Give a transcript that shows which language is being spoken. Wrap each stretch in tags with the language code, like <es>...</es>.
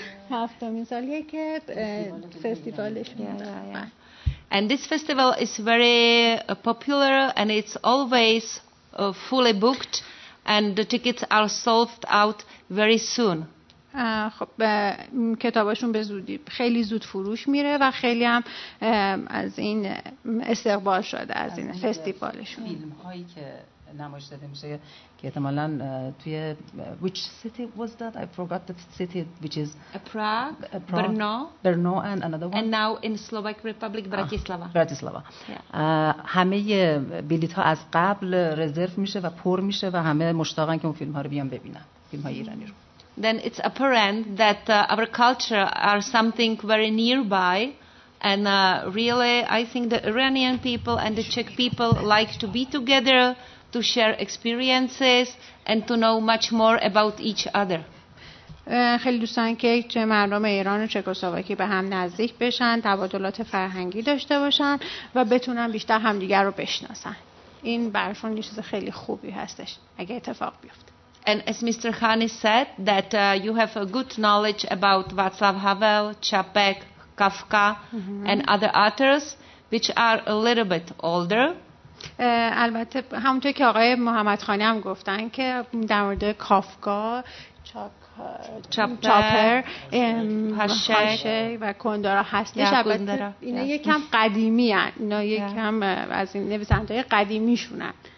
<fa>هفتمین سال یک فستیوالش.</fa> <en>And this festival is very popular and it's always fully booked and the tickets are sold out very soon.</en> <fa>خب کتاباشون به زودی خیلی زود فروش میره و خیلی هم از این استقبال شده از این فستیوالشون. نمایش داده میشه که احتمالاً توی</fa> <en>which city was that, I forgot the city, which is Prague. Brno and another one and now in Slovak Republic Bratislava.</en> <fa>همه بلیط ها از قبل رزرو میشه و پر میشه و همه مشتاقن که اون فیلم ها رو بیان ببینن، فیلم های ایرانی رو.</fa> <en>Then it's apparent that our culture are something very nearby and really I think the Iranian people and the Czech people like to be together to share experiences and to know much more about each other.</en> <fa>خیلی دوستان که چه مردم ایران و چکسلواکی به هم نزدیک بشن، تبادلات فرهنگی داشته باشن و بتونن بیشتر همدیگر رو بشناسن. این برشون یه چیز خیلی خوبی هستش اگه اتفاق بیفته.</fa> <en>And as Mr. Khani said that you have a good knowledge about Václav Havel, Čapek, Kafka and other authors which are a little bit older.</en> <fa>البته همونطور که آقای محمد خانی هم گفتن که در مورد کافکا چاپر هاشک و کندورا هستش، اینا یکم قدیمی هستن، اینا یکم از این نویسنده های قدیمی شونن.</fa>